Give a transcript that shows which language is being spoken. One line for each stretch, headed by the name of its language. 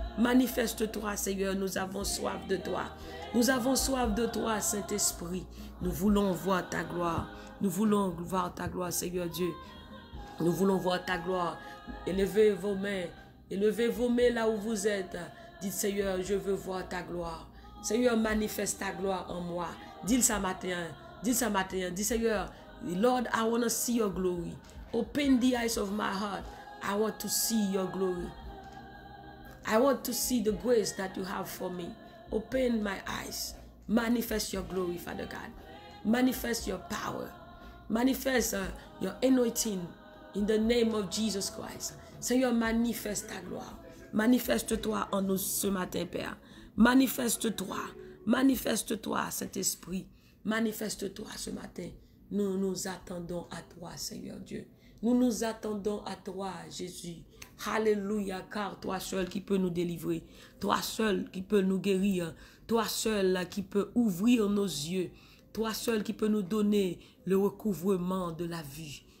French: Manifeste-toi, Seigneur, nous avons soif de toi. Nous avons soif de toi, Saint-Esprit. Nous voulons voir ta gloire. Nous voulons voir ta gloire, Seigneur Dieu. Nous voulons voir ta gloire. Élevez vos mains. Élevez vos mains là où vous êtes. Dites, Seigneur, je veux voir ta gloire. Seigneur, manifeste ta gloire en moi. Dis-le ce matin. Dis-le ce matin. Dis, Seigneur,
English: Lord, I want to see your glory. Open the eyes of my heart. I want to see your glory. I want to see the grace that you have for me. Open my eyes. Manifest your glory, Father God. Manifest your power. Manifest your anointing in the name of Jesus Christ.
French: Seigneur, manifeste ta gloire. Manifeste-toi en nous ce matin, Père. Manifeste-toi. Manifeste-toi, Saint-Esprit. Manifeste-toi ce matin. Nous nous attendons à toi, Seigneur Dieu. Nous nous attendons à toi, Jésus. Alléluia, car toi seul qui peux nous délivrer, toi seul qui peux nous guérir, toi seul qui peux ouvrir nos yeux, toi seul qui peux nous donner le recouvrement de la vie.